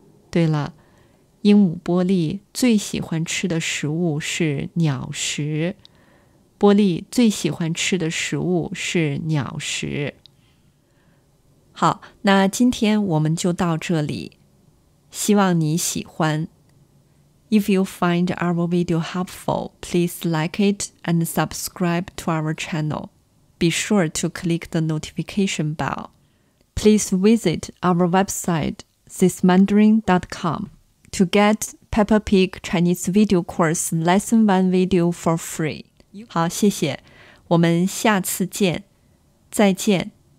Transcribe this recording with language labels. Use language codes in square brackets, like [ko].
[zh] 对了，鹦鹉波利最喜欢吃的食物是鸟食。波利最喜欢吃的食物是鸟食。好，那今天我们就到这里，希望你喜欢。 [en] If you find our video helpful, please like it and subscribe to our channel. Be sure to click the notification bell. Please visit our website, sysmandarin.com, to get Peppa Pig Chinese Video Course Lesson 1 video for free. [zh] 好，谢谢，我们下次见，再见。